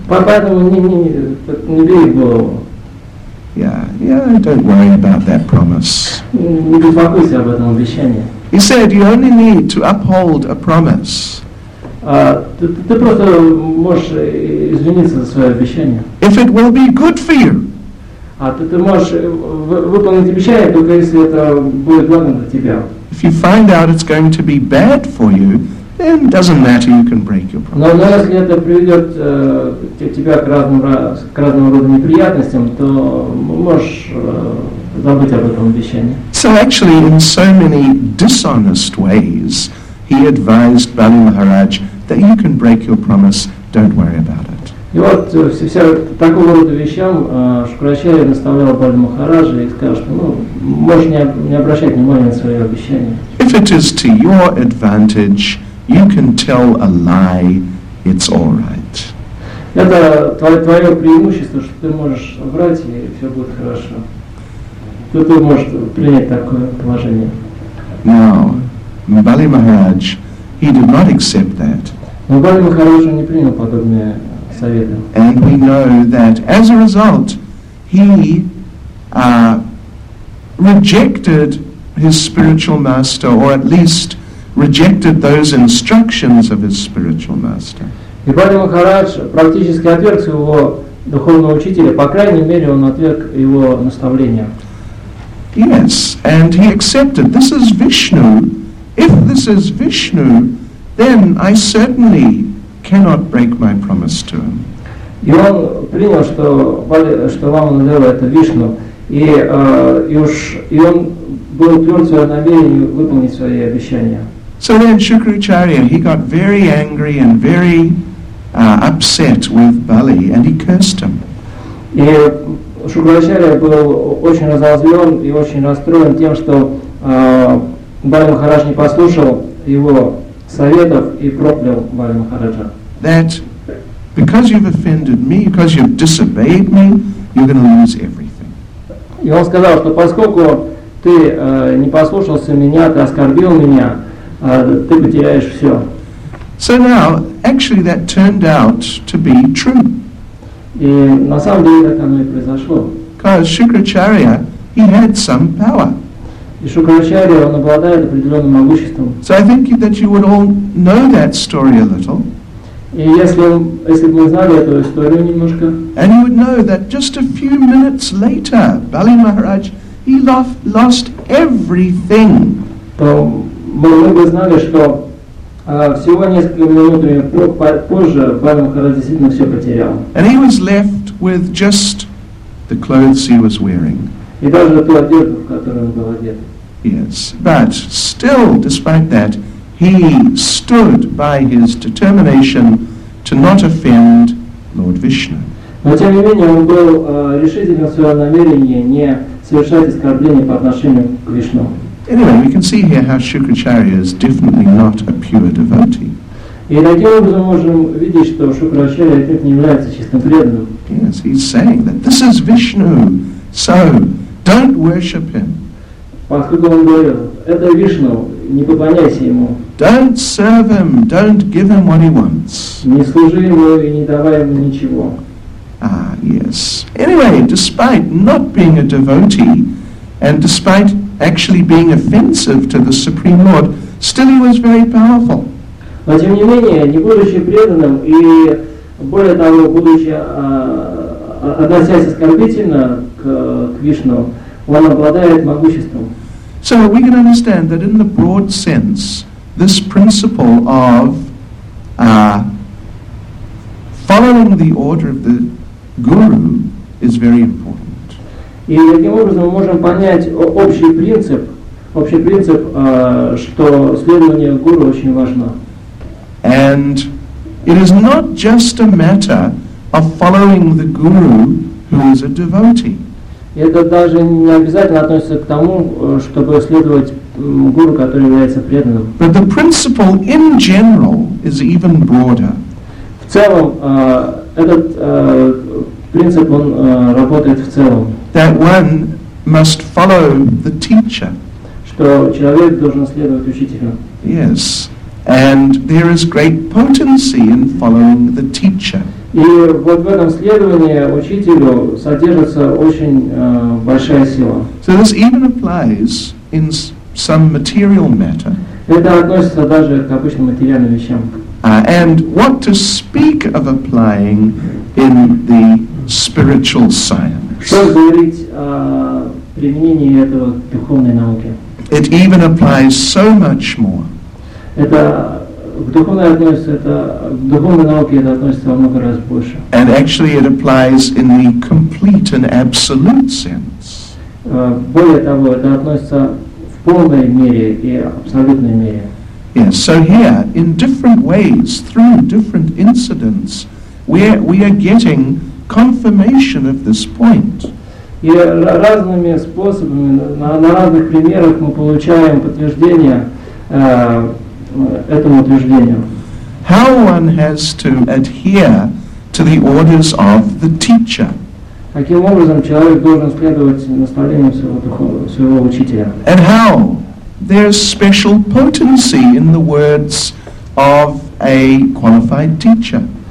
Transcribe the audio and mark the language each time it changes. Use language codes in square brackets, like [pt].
[ru] Поэтому не бей в голову. [en] Yeah, don't worry about that promise. [ru] Не беспокойся об этом обещании. [en] He said you only need to uphold a promise. [ru] Ты просто можешь извиниться за свое обещание. [en] If it will be good for you. [ru] А ты можешь выполнить обещание, только если это будет благо для тебя. [en] If you find out it's going to be bad for you, then it doesn't matter, you can break your promise. [ru] Но если это приведет тебя к разным роду неприятностям, то можешь забыть об этом обещании. [en] So actually, in so many dishonest ways, he advised Bali Maharaj that you can break your promise, don't worry about it. [ru] И вот вся такого рода вещам Шукрачарья наставлял Бали Махараджа и сказал, что можешь не обращать внимания на свои обещания. [en] If it is to your advantage, you can tell a lie, it's all right. [ru] Это твое преимущество, что ты можешь врать, и все будет хорошо. Ты можешь принять такое положение. [en] Now, Bali Maharaj, he did not accept that. [ru] Но Бали Махарадж не принял подобные советы. [en] And we know that as a result, he rejected his spiritual master, or at least rejected those instructions of his spiritual master. [ru] И Бали Махарадж практически отверг своего духовного учителя, по крайней мере, он отверг его наставления. [en] Yes, and he accepted, this is Vishnu. If this is Vishnu, then I certainly cannot break my promise to him. [ru] И он принял, что Вамана Дева это Вишну, и он был тверд в своем намерении выполнить свои обещания. [en] So then Shukracharya, he got very angry and very upset with Bali and he cursed him. [ru] И Шукрачарья был очень разозлен и очень расстроен тем, что Бали Махарадж не послушал его советов и проклял Бали Махараджа. [en] That because you've offended me, because you've disobeyed me, you're going to lose everything. [ru] И он сказал, что поскольку ты не послушался меня, ты оскорбил меня, ты потеряешь все. [en] So now, actually, that turned out to be true. [ru] И на самом деле так оно и произошло. [en] Because Shukracharya, he had some power. [ru] И Шукрачарья, он обладает определенным могуществом. [en] So I think that you would all know that story a little. [ru] И если бы мы знали эту историю немножко. [en] And you would know that just a few minutes later, Bali Maharaj, he lost everything. [ru] То мы бы знали, что всего несколько минут позже Бали Махарадж действительно все потерял. [en] And he was left with just the clothes he was wearing. [ru] И даже ту одежду, в которой он был одет. [en] Yes, but still, despite that, he stood by his determination to not offend Lord Vishnu. [ru] Но тем не менее он был решительным в своем намерении не совершать оскорбления по отношению к Вишну. [en] Anyway, we can see here how Shukracharya is definitely not a pure devotee. [ru] И таким образом можем видеть, что Шукрачарья не является чистым преданным. [en] Yes, he's saying that this is Vishnu, so don't worship him. [ru] Поскольку он говорил, это Вишну, не поклоняйся ему. [en] Don't serve him, don't give him what he wants. [ru] Не служи ему и не давай ему ничего. [en] Ah, yes. Anyway, despite not being a devotee, and despite actually being offensive to the Supreme Lord, still he was very powerful. [ru] Но тем не менее, не будучи преданным и более того, будучи относясь оскорбительно к Вишну, он обладает могуществом. [en] So we can understand that in the broad sense, this principle of following the order of the guru is very important. [ru] И таким образом мы можем понять общий принцип, что следование гуру очень важно. [en] And it is not just a matter of following the guru who is a devotee. [ru] Это даже не обязательно относится к тому, чтобы следовать гуру, который является преданным. [en] But the principle in general is even broader. [ru] В целом, этот принцип, он работает в целом. [en] That one must follow the teacher. [ru] Что человек должен следовать учителю. [en] Yes. And there is great potency in following the teacher. [ru] И вот в этом следовании учителю содержится очень большая сила. [en] So this even applies in some material matter. [ru] Это относится даже к обычным материальным вещам. [en] And what to speak of applying in the spiritual science. [ru] Что говорить о применении этого в духовной науке? [en] It even applies so much more. [ru] Это к духовной относится, это к духовной науке это относится во много раз больше. [en] And actually it applies in the complete and absolute sense. [ru] Более того, это относится в полной мере и абсолютной мере. [en] Yes, so here, in different ways, through different incidents, we are getting confirmation of this point. [ru] И разными способами, на разных примерах мы получаем подтверждение этому утверждению. [en] How one has to adhere to the orders of the teacher. [ru] Каким образом человек должен следовать наставлениям своего учителя. [en] And how there's special potency in the words of a qualified teacher.